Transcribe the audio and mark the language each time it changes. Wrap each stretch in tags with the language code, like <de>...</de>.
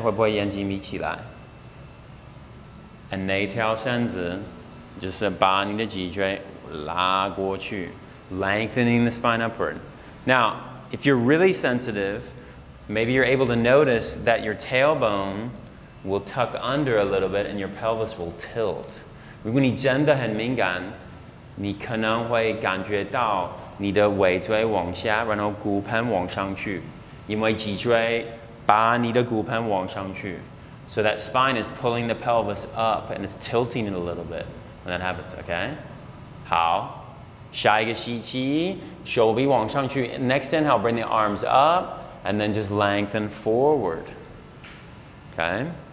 <zh>会不会眼睛眯起来?And 那条绳子, 就是把你的脊椎拉过去,</zh> <en>lengthening the spine upward. Now, if you're really sensitive, maybe you're able to notice that your tailbone will tuck under a little bit and your pelvis will tilt.</en> <zh>如果你真的很敏感, 你可能会感觉到你的尾椎往下, 然后骨盆往上去, 因为脊椎把你的骨盆往上去.</zh> <en>So that spine is pulling the pelvis up and it's tilting it a little bit when that happens, okay?</en> <zh>好, 下一个吸气, 手臂往上去,</zh> <en>next inhale, bring the arms up, and then just lengthen forward, okay?</en>